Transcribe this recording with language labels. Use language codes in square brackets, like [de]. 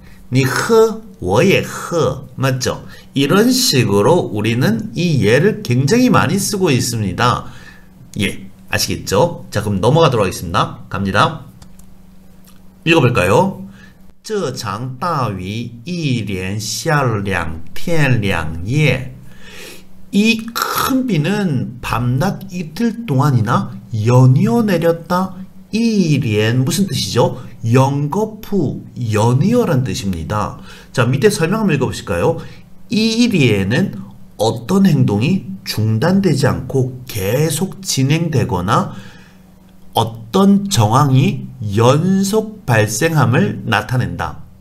[zh] 你吃我也吃，你喝我也喝， [ko] 맞죠? 이런 식으로 우리는 이 예를 굉장히 많이 쓰고 있습니다. 예, 아시겠죠? 자, 그럼 넘어가도록 하겠습니다. 갑니다. 읽어볼까요? [zh] 这场大雨一连下了两天两夜. [ko] 이 큰 비는 밤낮 이틀 동안이나 연이어 내렸다. 이련 무슨 뜻이죠? 연거푸, 연이어란 뜻입니다. 자, 밑에 설명 한번 읽어보실까요? 이련은 어떤 행동이 중단되지 않고 계속 진행되거나 어떤 정황이 연속 발생함을 나타낸다.